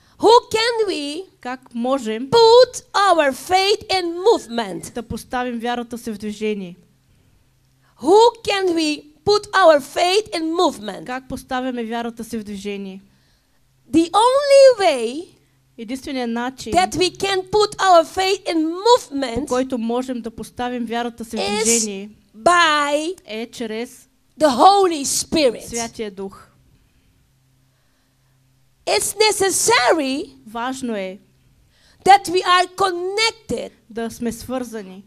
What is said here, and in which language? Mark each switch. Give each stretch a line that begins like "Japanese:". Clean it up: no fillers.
English: Who can we?
Bulgarian: Как можем?
English: Put our faith in movement.
Bulgarian: Да поставим вярата си в движение.
English: Who can we? Put our faith in movement.
Bulgarian: Как поставяме вярата си в движение?
English: The only way.
Bulgarian: Единственият начин.
English: That we can put our faith in movement.
Bulgarian: По който можем да поставим вярата си в движение.
English: By.
Bulgarian: Е чрез.
English: The Holy Spirit.
Bulgarian: Святия Дух.
English: It's necessary.
Bulgarian: Важно е.
English: That we are connected.
Bulgarian: Да сме свързани.